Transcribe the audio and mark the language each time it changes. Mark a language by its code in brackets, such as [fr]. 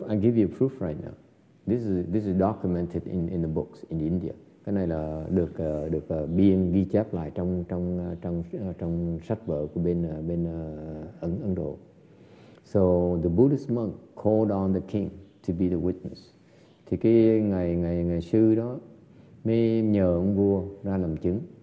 [en] I'll give you proof right now. This is documented in the books in India. [vi] Cái này là được biên ghi chép lại trong sách vở của bên Ấn Độ. [en] So the Buddhist monk called on the king to be the witness. [vi] Thì cái ngày sư đó mới nhờ ông vua ra làm chứng.